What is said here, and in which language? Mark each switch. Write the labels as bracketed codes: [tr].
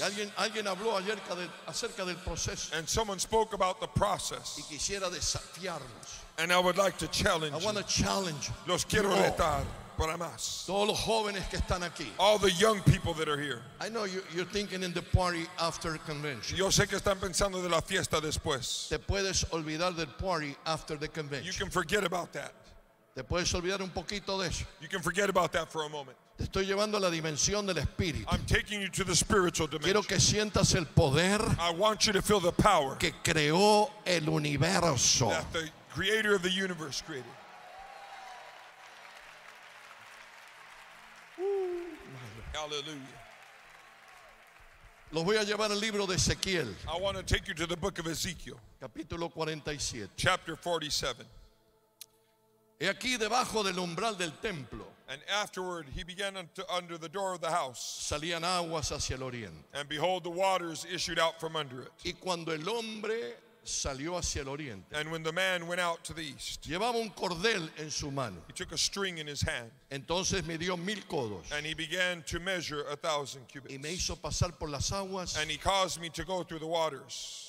[es] Y alguien habló ayer acerca del proceso. [en] And someone spoke about the process. [es] Y quisiera desafiarlos. [en] And I would like to challenge. I want to challenge. [es] Los quiero retar. Para más. Todos los jóvenes que están aquí. [en] All the young people that are here. I know you're thinking in the party after convention. [es] Yo sé que están pensando de la fiesta después. Te puedes olvidar del [en] party after the convention. You can forget about that. [es] Te puedes olvidar un poquito de eso. [en] You can forget about that for a moment. [es] Te estoy llevando a la dimensión del espíritu. [en] I'm taking you to the spiritual dimension. [es] Quiero que sientas el poder. [en] I want you to feel the power. [es] Que creó el universo. [en] That the creator of the universe created. Hallelujah. [es] Los voy a llevar al libro de Ezequiel. [en] I want to take you to the book of Ezekiel. [es] Capítulo 47. [en] Chapter 47. [es] He aquí debajo del umbral del templo. [en] And afterward he began under the door of the house. [es] Salían aguas hacia el oriente. [en] And behold the waters issued out from under it. [es] Y cuando el hombre salió hacia el oriente. [en] And when the man went out to the east, [es] llevaba un cordel en su mano. [en] He took a string in his hand. [es] Entonces midió 1,000 codos. [en] And he began to measure 1,000 cubits. [es] Y me hizo pasar por las aguas. [en] And he caused me to go through the waters.